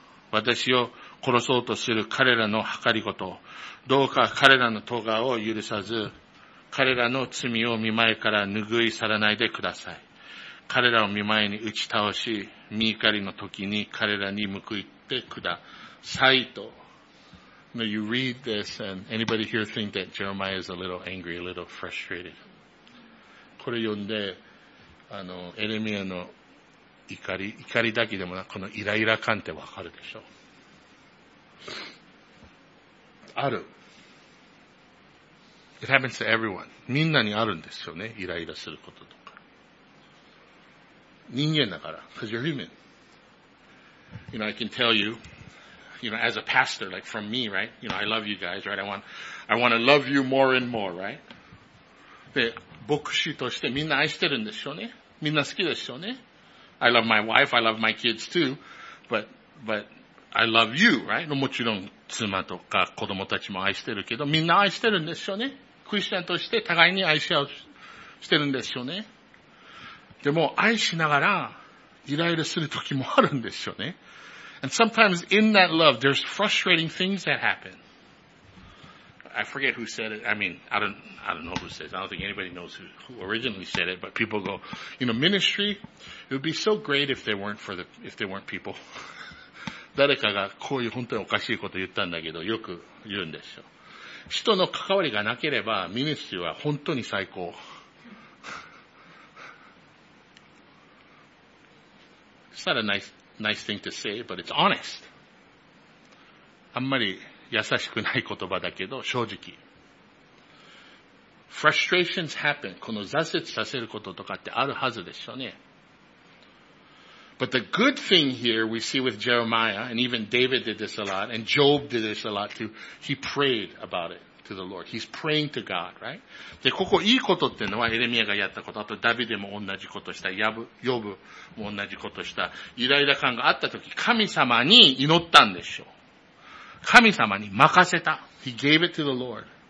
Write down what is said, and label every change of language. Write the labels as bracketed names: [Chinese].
[Japanese] 私を殺そうとする彼らの計りごと、どうか彼らの咎を許さず、彼らの罪を見前から拭い去らないでください。彼らを見前に打ち倒し、見怒りの時に彼らに報いてください。 [English] Now you read this and anybody here think that Jeremiah is a little angry, a little frustrated. [Japanese] これ読んで、エレミアの怒りだけでもなく、このイライラ感ってわかるでしょ。ある。 [English] It happens to everyone. [Japanese] みんなにあるんですよね、イライラすることとか。人間だから。 [English] Because you're human. You know, I can tell you, you know, as a pastor, like from me, right? You know, I love you guys, right? I want to love you more and more, right? [Japanese] で、牧師としてみんな愛してるんでしょうね。みんな好きでしょうね。 [English] I love my wife, I love my kids too, but I love you, right? [Japanese] もちろん妻とか子供たちも愛してるけど、みんな愛してるんでしょうね。クリスチャンとして互いに愛し合う、してるんでしょうね。でも愛しながらイライラする時もあるんでしょうね。 [English] And sometimes in that love, there's frustrating things that happen. I forget who said it. I mean, I don't know who says it. I don't think anybody knows who originally said it, but people go, you know, ministry, it would be so great if they weren't people. [Japanese] 誰かがこういう本当におかしいことを言ったんだけど、よく言うんですよ。人の関わりがなければ、ミニストリーは本当に最高。 [English] It's not a nice thing to say, but it's honest. [Japanese] あんまり優しくない言葉だけど、正直。 [English] Frustrations happen. [Japanese] この挫折させることとかってあるはずでしょうね。 [English] But the good thing here we see with Jeremiah, and even David did this a lot, and Job did this a lot too, he prayed about it to the Lord. He's praying to God, right? [Japanese] で、ここいいことってのはエレミアがやったこと、あとダビデも同じことした、ヨブも同じことした、イライラ感があったとき、神様に祈ったんでしょう。神様に任せた。 [English] He gave it to the Lord.